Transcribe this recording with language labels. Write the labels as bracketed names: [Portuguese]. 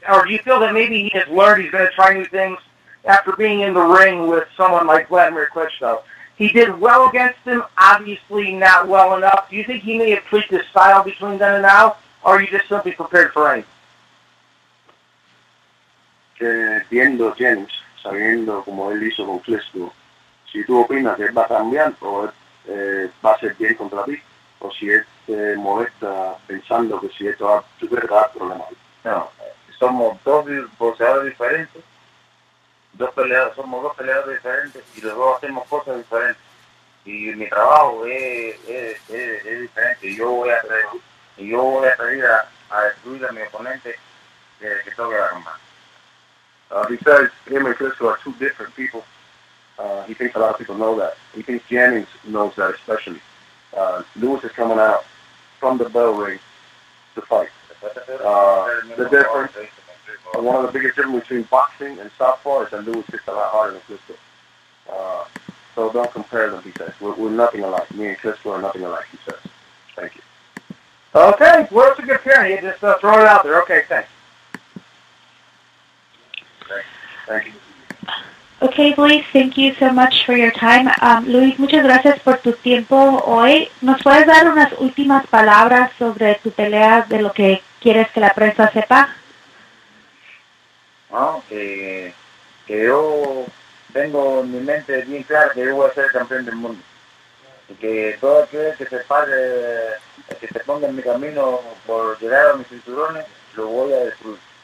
[English] Or do you feel that maybe he has learned he's going to try new things after being in the ring with someone like Vladimir Klitschko? He did well against him, obviously not well enough. Do you think he may have tweaked his style between then and now? Or are you just simply prepared for anything? [Spanish] Viendo Jennings, sabiendo como él hizo con Klitschko, si tú opinas que él va a cambiar o va a ser bien contra ti, o si él te molesta pensando que si esto va a tener problemas. No, somos dos boxeadores diferentes, dos peleadores diferentes y los dos hacemos cosas diferentes. Y mi trabajo es diferente. Yo voy a salir a destruir a mi oponente que toque la rumba. [English] Besides, him and Crystal are two different people. He thinks a lot of people know that. He thinks Jennings knows that especially. Luis is coming out from the bell ring to fight. The difference, one of the biggest differences between boxing and softball is that Luis hits a lot harder than Klitschko. So don't compare them, he says. We're nothing alike. Me and Klitschko are nothing alike, he says. Thank you. Okay, well, it's a good pairing. You just throw it out there. Okay, thanks. Thank you. Okay, Luis, thank you so much for your time. [Spanish] Luis, muchas gracias por tu tiempo hoy. ¿Nos puedes dar unas últimas palabras sobre tu pelea de lo que quieres que la prensa sepa? Bueno, que yo tengo en mi mente bien clara que yo voy a ser campeón del mundo. Y que todo aquel que se pare, que se ponga en mi camino por llegar a mis cinturones, lo voy a destruir.